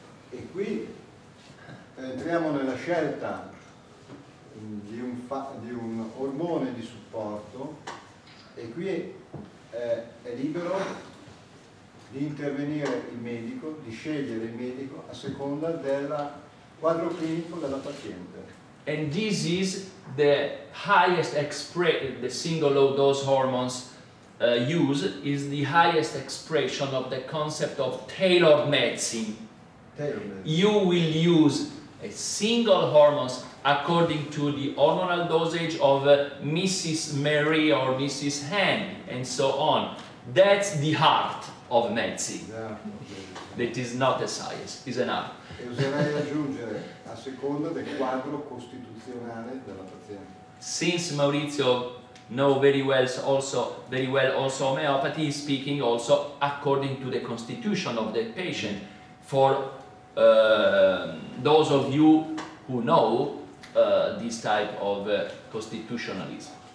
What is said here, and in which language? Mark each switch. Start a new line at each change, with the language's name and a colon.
Italian: E qui entriamo nella scelta di un ormone di supporto. E qui è libero di intervenire il medico, di scegliere il medico a seconda del quadro clinico della paziente.
English: And this is the highest expression, the single low dose hormones use is the highest expression of the concept of tailored medicine. You will use a single hormones according to the hormonal dosage of Mrs. Mary or Mrs. Han, and so on. That's the heart of medicine. Yeah, okay. That is not a science, it's an art.
Italian: E oserei aggiungere, a seconda del quadro costituzionale della paziente.
English: Since Maurizio knows very well also homeopathy, is speaking also according to the constitution of the patient. For those of you who know, this type of constitutionalism.